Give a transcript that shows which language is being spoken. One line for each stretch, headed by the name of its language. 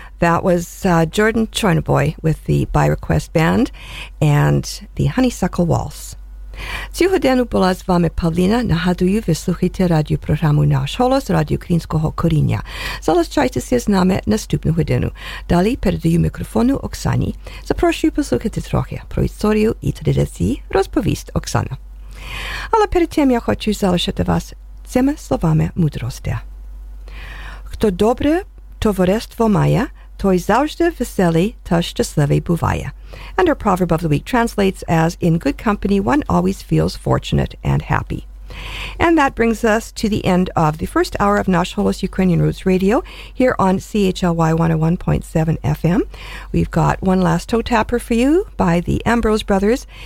English: That was Jordan Chornoboy with the By Request Band and the Honeysuckle Waltz.
Ukrainian: Цього дня була з вами Павліна. Нагадую, ви слухаєте радіопрограму «Наш голос» Радіо Українського коріння. Залишайтеся з нами наступну годину. Далі передаю мікрофону Оксані. Запрошую послухати трохи про історію і традиції. Розповість Оксана. Але перед тим я хочу залишити вас цими словами мудрості. Хто добре товариство має, той завжди веселий та щасливий буває.
English: And our proverb of the week translates as, in good company, one always feels fortunate and happy. And that brings us to the end of the first hour of Nash Holos Ukrainian Roots Radio here on CHLY 101.7 FM. We've got one last toe tapper for you by the Ambrose Brothers.